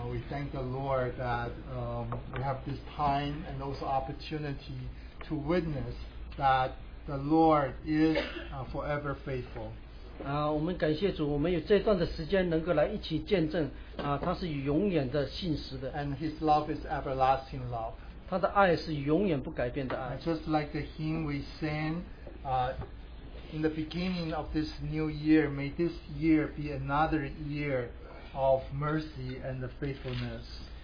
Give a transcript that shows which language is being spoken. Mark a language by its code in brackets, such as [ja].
[en] thank the Lord that we have this time and also opportunity to witness that the Lord is forever faithful. [zh] 我们感谢主，我们有这段的时间能够来一起见证， 祂是永远的信实的。 [en] And His love is everlasting love. [zh] 祂的爱是永远不改变的爱。 [en] Just like the hymn we sang in the beginning of this new year, may this year be another year of mercy and the faithfulness.